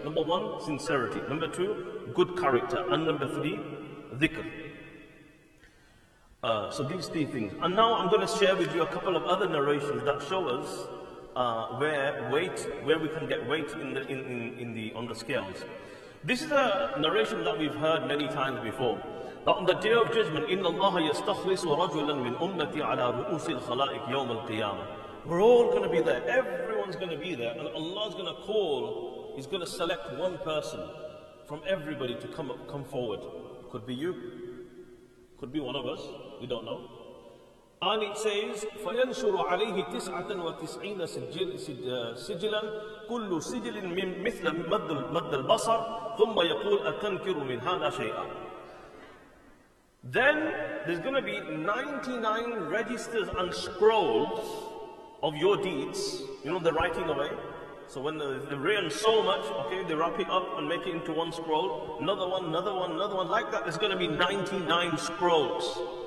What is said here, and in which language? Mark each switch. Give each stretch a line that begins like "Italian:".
English: Number one, sincerity. Number two, good character. And number three, dhikr. So these three things. And now I'm going to share with you a couple of other narrations that show us where we can get weight on the scales. This is a narration that we've heard many times before. That on the day of judgment,
Arabic: إِنَّ اللَّهَ يَسْتَخْلِصُ رَجُلًا مِنْ أُمَّتِي عَلَى رُؤُسِ الْخَلَائِقِ يَوْمَ الْقِيَامَةِ.
English: We're all going to be there. Everyone's going to be there. And Allah's going to call. He's going to select one person from everybody to come forward. Could be you. Could be one of us. We don't know. And it says,
Arabic: فَيَنْشُرُ عَلَيْهِ تِسْعَةً وَتِسْعِينَ سِجِلًا كُلُّ سِجِلٍ مِنْ مِثْلَ مَدَّ الْبَصَرِ ثُمَّ يَقُولْ أَتَنْكِرُ مِنْ هَذَا شَيْئًا.
English: Then there's going to be 99 registers and scrolls of your deeds, you know, the writing away. So when they rain so much, okay, they wrap it up and make it into one scroll. Another one, another one, another one. Like that, there's going to be 99 scrolls.